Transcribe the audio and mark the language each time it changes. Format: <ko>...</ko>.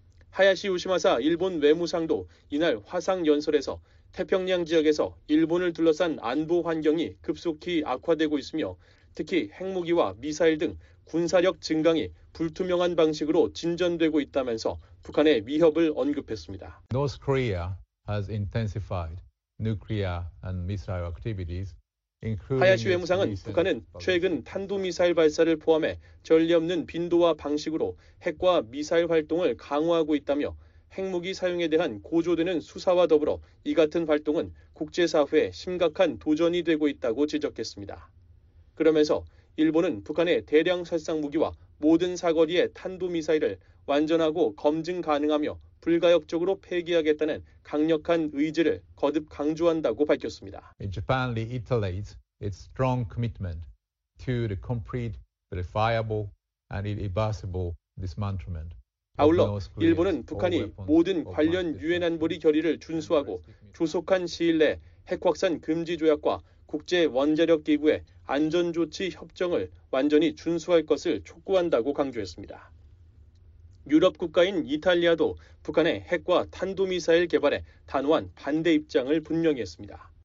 <ko>하야시 요시마사 일본 외무상도 이날 화상연설에서 태평양 지역에서 일본을 둘러싼 안보 환경이 급속히 악화되고 있으며 특히 핵무기와 미사일 등 군사력 증강이 불투명한 방식으로 진전되고 있다면서 북한의 위협을 언급했습니다.</ko> <en>North Korea has intensified nuclear and missile activities.</en> <ko>하야시 외무상은 북한은 최근 탄도미사일 발사를 포함해 전례없는 빈도와 방식으로 핵과 미사일 활동을 강화하고 있다며 핵무기 사용에 대한 고조되는 수사와 더불어 이 같은 활동은 국제사회에 심각한 도전이 되고 있다고 지적했습니다. 그러면서 일본은 북한의 대량 살상무기와 모든 사거리의 탄도미사일을 완전하고 검증 가능하며 불가역적으로 폐기하겠다는 강력한 의지를 거듭 강조한다고 밝혔습니다.</ko> <en>Japan reiterates its strong commitment to the complete, verifiable, and irreversible dismantlement.</en> <ko>아울러 일본은 북한이 모든 관련 유엔 안보리 결의를 준수하고 조속한 시일 내 핵확산 금지 조약과 국제 원자력 기구의 안전 조치 협정을 완전히 준수할 것을 촉구한다고 강조했습니다. 유럽 국가인 이탈리아도 북한의 핵과 탄도미사일 개발에 단호한 반대 입장을 분명히 했습니다.</ko>